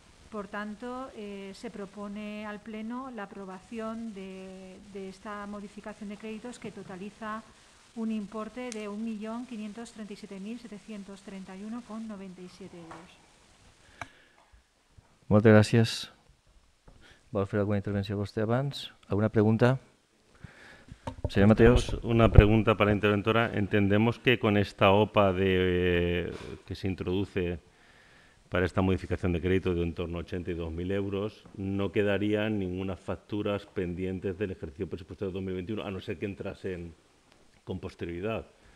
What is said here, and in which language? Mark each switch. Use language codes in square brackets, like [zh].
[es] Por tanto, se propone al Pleno la aprobación de esta modificación de créditos, que totaliza un importe de 1.537.731,97 €. [ca] Moltes gràcies. Vol fer alguna intervenció vostè abans? [es] Alguna pregunta? Señor Mateos. Una pregunta para la interventora. Entendemos que con esta OPA que se introduce para esta modificación de crédito de en torno a 82.000 € no quedarían ninguna facturas pendientes del ejercicio presupuestario de 2021, a no ser que entrasen con posterioridad.